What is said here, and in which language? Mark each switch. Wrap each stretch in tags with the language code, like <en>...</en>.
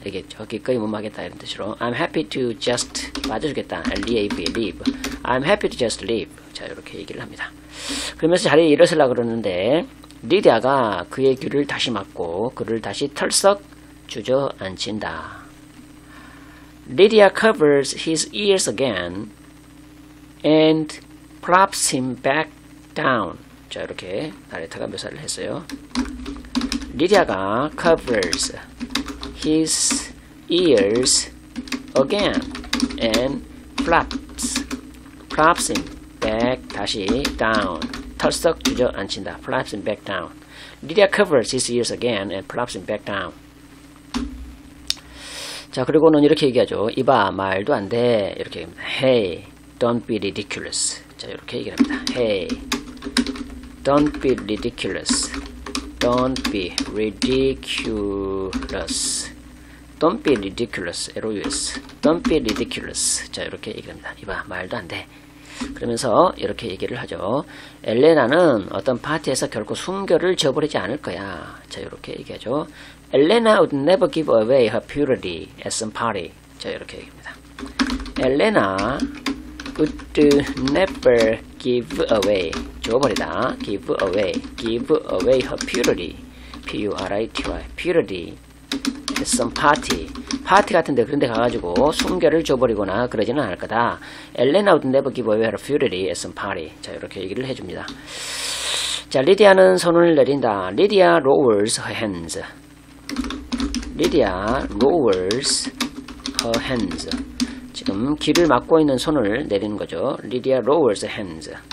<ko>이게 저 기꺼이 뭐뭐 하겠다 이런 뜻으로.</ko> <en>I'm happy to just</en> <ko>빠져주겠다.</ko> <en>Leave, leave. I'm happy to just leave.</en> <ko>자, 이렇게 얘기를 합니다. 그러면서 자리에 일어서려 그러는데 리디아가 그의 귀를 다시 막고 그를 다시 털썩 주저앉힌다.</ko> <en>Lydia covers his ears again and props him back down.</en> <ko>자, 이렇게 나레이터가 묘사를 했어요.</ko> <en>Lydia가 covers his ears again and props him back</en> <ko>다시</ko> <en>down.</en> <ko>털썩 주저앉힌다.</ko> <en>Props him back down. Lydia covers his ears again and props him back down.</en> <ko>자, 그리고는 이렇게 얘기하죠. 이봐, 말도 안 돼. 이렇게 얘기합니다.</ko> <en>Hey, don't be ridiculous.</en> <ko>자, 이렇게 얘기를 합니다.</ko> <en>Hey, don't be ridiculous. Don't be ridiculous. Don't be ridiculous. L-O-U-S. Don't be ridiculous.</en> <ko>자, 이렇게 얘기를 합니다. 이봐, 말도 안 돼. 그러면서 이렇게 얘기를 하죠. 엘레나는 어떤 파티에서 결코 순결을 저버리지 않을 거야. 자, 이렇게 얘기하죠.</ko> <en>Elena would never give away her purity at some party.</en> <ko>자, 이렇게 얘기합니다.</ko> <en>Elena would never give away.</en> <ko>줘버리다.</ko> <en>Give away. Give away her purity. P-U-R-I-T-Y. Purity. At some party.</en> <ko>파티 같은데 그런 데 가가지고 순결을 줘버리거나 그러지는 않을 거다.</ko> <en>Elena would never give away her purity at some party.</en> <ko>자, 이렇게 얘기를 해줍니다. 자, 리디아는 손을 내린다.</ko> <en>Lydia lowers her hands. Lydia lowers her hands.</en> <ko>지금 귀를 막고 있는 손을 내리는 거죠.</ko> <en>Lydia lowers her hands.</en>